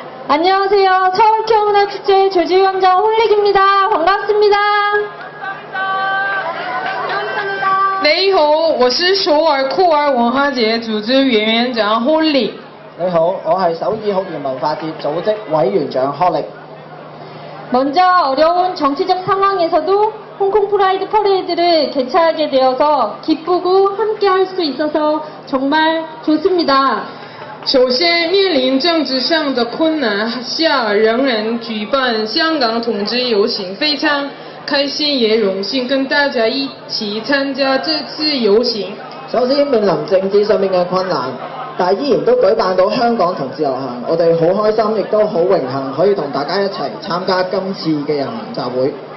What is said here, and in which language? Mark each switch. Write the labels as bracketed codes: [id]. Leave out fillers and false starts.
[ko] 안녕하세요서울케어문화축제조직위원장홀릭입니다반갑습니다 [zh] 你好我是首尔酷儿文化节组织委员长홀릭 你好我是首尔酷儿文化节组织委员长홀릭 [ko] 먼저어려운정치적상황에서도홍콩프라이드퍼레이드를개최하게되어서기쁘고함께할수있어서정말좋습니다 [zh] 首先面临政治上的困难下仍然举办香港同志游行非常开心也荣幸跟大家一起参加这次游行首先面临政治上面的困难但依然都举办到香港同志游行我们很开心也都很荣幸可以跟大家一起参加今次的游行集会